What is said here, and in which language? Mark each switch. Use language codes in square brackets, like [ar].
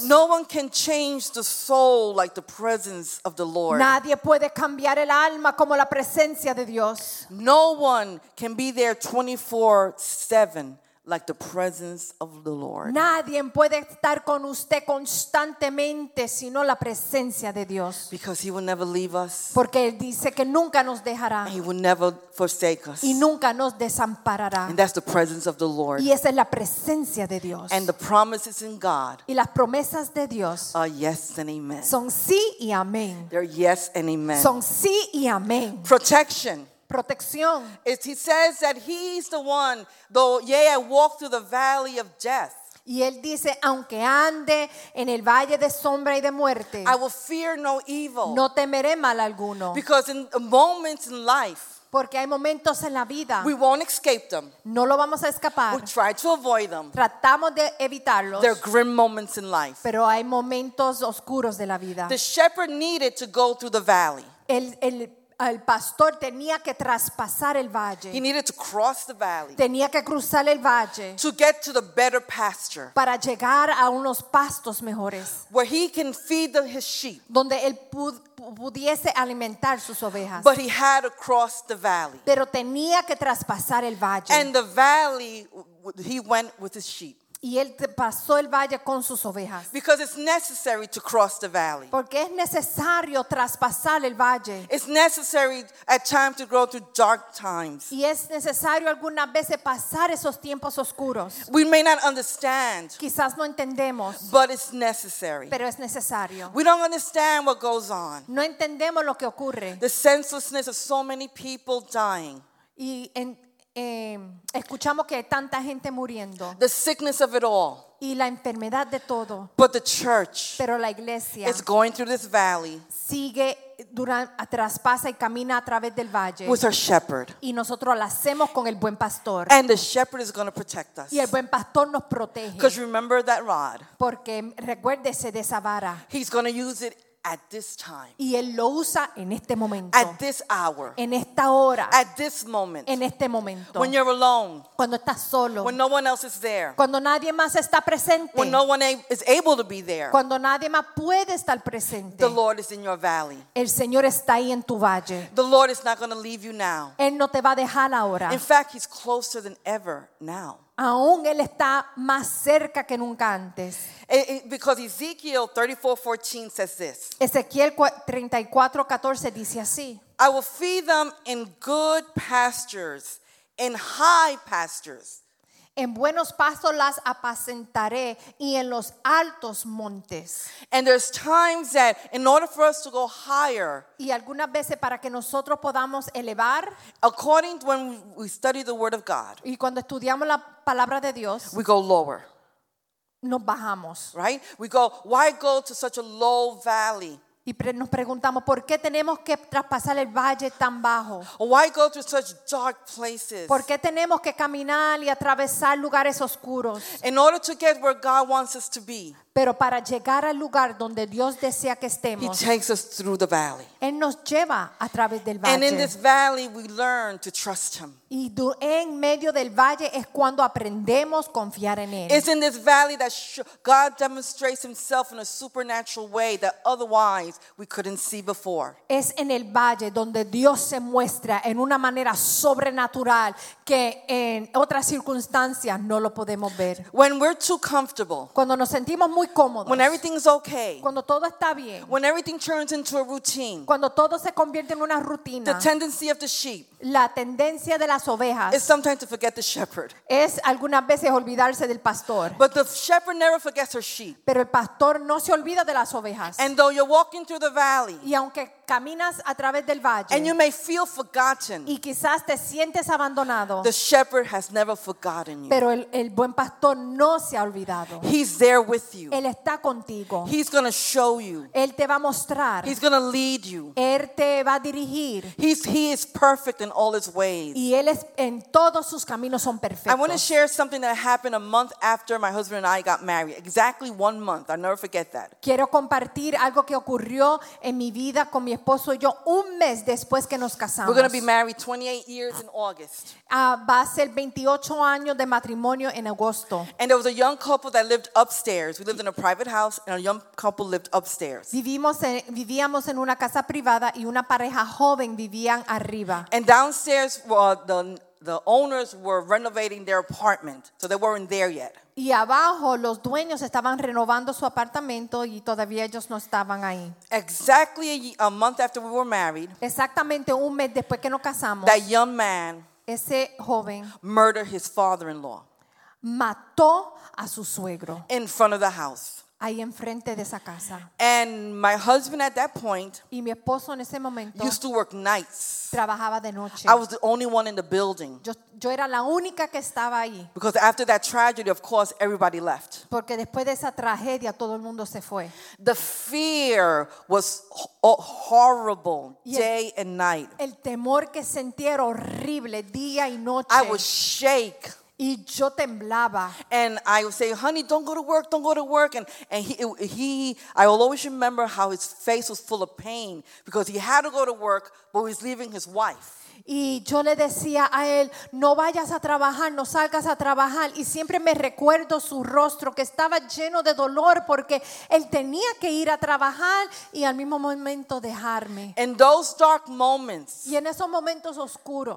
[en] No one can change the soul like the presence of the Lord. [es] Nadie puede cambiar el alma como la presencia de Dios. [en] No one can be there 24/7. Like the presence of the Lord. [es] Nadie puede estar con usted constantemente sino la presencia de Dios. [en] Because he will never leave us. [es] Porque él dice que nunca nos dejará. [en] He will never forsake us. [es] Y nunca nos desamparará. [en] And that's the presence of the Lord. [es] Y esa es la presencia de Dios. [en] And the promises in God. [es] Y las promesas de Dios. [en] Are yes and amen. [es] Son sí y amén. [en] They're yes and amen. [es] Son sí y amén. [en] Protection. [es] Protección. [en] It's, he says that he's the one, though, yea, I walk through the valley of death. [es] Y él dice, aunque ande en el valle de sombra y de muerte, [en] I will fear no evil. [es] No temeré mal alguno. [en] Because in moments in life, [es] Porque hay momentos en la vida. [en] We won't escape them. [es] No lo vamos a escapar. [en] We'll try to avoid them. [es] Tratamos de evitarlos. [en] There are grim moments in life. [es] Pero hay momentos oscuros de la vida. [en] The shepherd needed to go through the valley. [es] El pastor tenía que traspasar el valle. [en] He needed to cross the valley. [es] Tenía que cruzar el valle. [en] To get to the better pasture. [es] Para llegar a unos pastos mejores. [en] Where he can feed his sheep. [es] Donde él pudiese alimentar sus ovejas. [en] But he had to cross the valley. [es] Pero tenía que traspasar el valle. [en] And the valley, he went with his sheep. [es] Y él pasó el valle con sus ovejas. [en] Because it's necessary to cross the valley. [es] Porque es necesario traspasar el valle. [en] It's necessary at times to go through dark times. [es] Y es necesario algunas veces pasar esos tiempos oscuros. [en] We may not understand. [es] Quizás no entendemos. [en] But it's necessary. [es] Pero es necesario. [en] We don't understand what goes on. [es] No entendemos lo que ocurre. [en] The senselessness of so many people dying. [es] Y en escuchamos que hay tanta gente muriendo. [en] The sickness of it all. [es] Y la enfermedad de todo. [en] But the church. [es] Pero la iglesia. [en] Is going through this valley. [es] Sigue durante, traspasa y camina a través del valle. [en] With our shepherd. [es] Y nosotros lo hacemos con el buen pastor. [en] And the shepherd is going to protect us. [es] Y el buen pastor nos protege. [en] Because remember that rod. [es] Porque recuérdese de esa vara. [en] He's going to use it at this time. [es] Y él lo usa en este momento. [en] At this hour. [es] En esta hora. [en] At this moment. [es] En este momento. [en] When you're alone. [es] Cuando estás solo. [en] When no one else is there. [es] Cuando nadie más está presente. [en] When no one is able to be there. [es] Cuando nadie más puede estar presente. [en] The Lord is in your valley. [es] El Señor está ahí en tu valle. [en] The Lord is not going to leave you now. [es] Él no te va a dejar ahora. [en] In fact, he's closer than ever now. [es] Aún él está más cerca que nunca antes. [en] Because Ezekiel 34:14 says this. [es] Ezequiel 34:14 dice así. [en] I will feed them in good pastures, in high pastures. [es] En buenos pastos las apacentaré y en los altos montes. [en] And there's times that in order for us to go higher. [es] Y algunas veces para que nosotros podamos elevar. [en] According to when we study the word of God. [es] Y cuando estudiamos la palabra de Dios. [en] We go lower. [es] Nos bajamos. [en] Right? We go, why go to such a low valley? [es] Y nos preguntamos, ¿por qué tenemos que traspasar el valle tan bajo? [en] Why go through such dark places? [es] ¿Por qué tenemos que caminar y atravesar lugares oscuros? [en] In order to get where God wants us to be. [es] Pero para llegar al lugar donde Dios desea que estemos. [en] He takes us through the valley. [es] Él nos lleva a través del valle. [en] And in this valley we learn to trust him. [es] Y en medio del valle es cuando aprendemos a confiar en él. [en] It's in this valley that God demonstrates himself in a supernatural way that otherwise we couldn't see before. [es] Es en el valle donde Dios se muestra en una manera sobrenatural que en otras circunstancias no lo podemos ver. [en] When we're too comfortable. [es] Cuando nos sentimos muy cómodos. [en] When everything's okay. [es] Cuando todo está bien. [en] When everything turns into a routine. [es] Cuando todo se convierte en una rutina. [en] The tendency of the sheep. [es] La tendencia de las ovejas. [en] It's sometimes to forget the shepherd. [es] Es algunas veces olvidarse del pastor. [en] But the shepherd never forgets her sheep. [es] Pero el pastor no se olvida de las ovejas. [en] And though you're walking through the valley. [es] Y aunque caminas a través del valle. [en] And you may feel forgotten. [es] Y quizás te sientes abandonado. [en] The shepherd has never forgotten you. [es] Pero el buen pastor no se ha olvidado. [en] He's there with you. [es] Él está contigo. [en] He's going to show you. [es] Él te va a mostrar. [en] He's going to lead you. [es] Él te va a dirigir. [en] He is perfect in all his ways. [es] Y él es en todos sus caminos son perfectos. [en] I want to share something that happened a month after my husband and I got married. Exactly one month. I'll never forget that. [es] Quiero compartir algo que ocurrió en mi vida con mi esposo y yo un mes después que nos casamos. [en] We're going to be married 28 years in August. [es] Va a ser 28 años de matrimonio en agosto. [en] And there was a young couple that lived upstairs. We lived in a private house and a young couple lived upstairs. [es] Vivíamos en una casa privada y una pareja joven vivían arriba. [en] And downstairs were the owners were renovating their apartment, so they weren't there yet. [es] Y abajo los dueños estaban renovando su apartamento y todavía ellos no estaban ahí. [en] Exactly a month after we were married. [es] Exactamente un mes después que nos casamos. [en] That young man. [es] Ese joven. [en] Murdered his father-in-law. [es] Mató a su suegro. [en] In front of the house. [es] ahí enfrente de esa casa. [en] And my husband at that point, [es] y mi esposo en ese momento, [en] used to work nights. [es] Trabajaba de noche. [en] I was the only one in the building. [es] Yo era la única que estaba ahí. [en] Because after that tragedy, of course, everybody left. [es] Porque después de esa tragedia, todo el mundo se fue. [en] The fear was horrible, day and night. [es] El temor que sentí era horrible, día y noche. [en] I would shake. [es] Y yo temblaba. [en] And I would say, honey, don't go to work, don't go to work. And he I will always remember how his face was full of pain because he had to go to work, but he was leaving his wife. [es] Y yo le decía a él, no vayas a trabajar, no salgas a trabajar. Y siempre me recuerdo su rostro que estaba lleno de dolor porque él tenía que ir a trabajar y al mismo momento dejarme. [en] In those dark moments, [es] y en esos momentos oscuros,